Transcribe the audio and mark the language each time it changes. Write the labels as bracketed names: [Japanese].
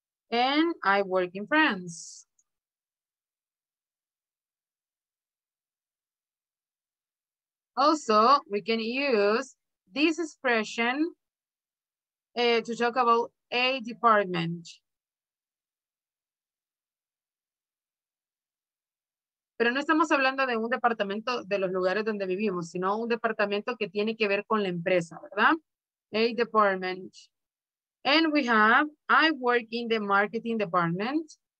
[English] And I work in France. Also, we can use this expression to talk about a department. [Spanish] Pero no estamos hablando de un departamento de los lugares donde vivimos, sino un departamento que tiene que ver con la empresa, ¿verdad? [English] A department. And we have, I work in the marketing department.